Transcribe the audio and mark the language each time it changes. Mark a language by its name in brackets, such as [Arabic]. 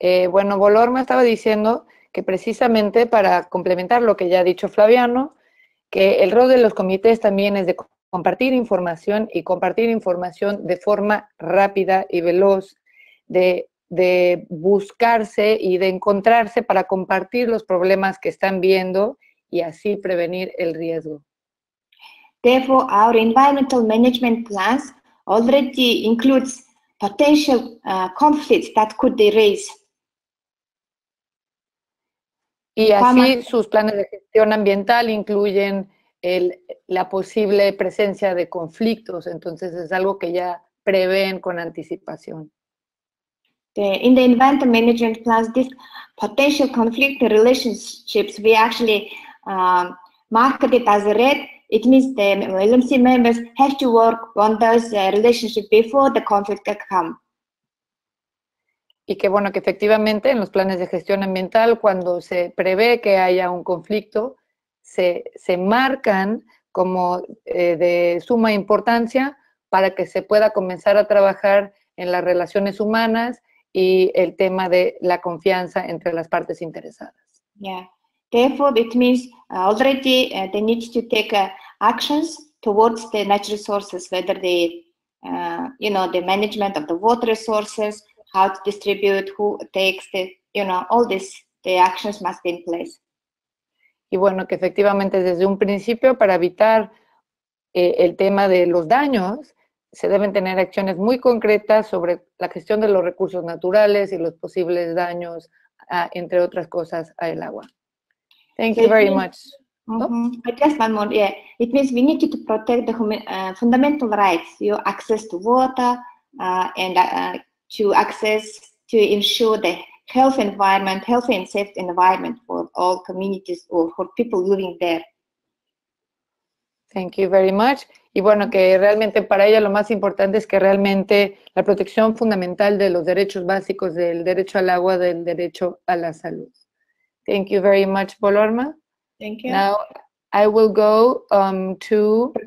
[Spanish] Bueno, Volor me estaba diciendo que precisamente para complementar lo que ya ha dicho Flaviano, que el rol de los comités también es de compartir información y compartir información de forma rápida y veloz, de buscarse y de encontrarse para compartir los problemas que están viendo y así prevenir el riesgo. [English] Therefore, our environmental management plans already includes potential conflicts that could be raised. [Spanish] Y así sus planes de gestión ambiental incluyen la posible presencia de conflictos, entonces es algo que ya prevén con anticipación. [English] In the environmental management plans, this potential conflict relationships, we actually marked it as red. It means the LMC members have to work on those relationships before the conflict can come. [Spanish] Y que bueno, que efectivamente en los planes de gestión ambiental, cuando se prevé que haya un conflicto, se marcan como de suma importancia para que se pueda comenzar a trabajar en las relaciones humanas y el tema de la confianza entre las partes interesadas. [English] Yeah, therefore it means already they need to take actions towards the natural resources, whether they, you know, the management of the water resources, how to distribute, who takes the, you know, all this, the actions must be in place. [Spanish] Y bueno, que efectivamente desde un principio para evitar el tema de los daños, se deben tener acciones muy concretas sobre la gestión de los recursos naturales y los posibles daños, entre otras cosas, al agua. [English] Thank you very much. Mm-hmm. Oh? Just one more. Yeah, it means we need to protect the fundamental rights, your access to water and to access to ensure the health environment, healthy and safe environment for all communities or for people living there. Thank you very much. [Spanish] Y bueno, que realmente para ella lo más importante es que realmente la protección fundamental de los derechos básicos, del derecho al agua, del derecho a la salud. [English] Thank you very much, Bolorma. Thank you. Now, I will go to...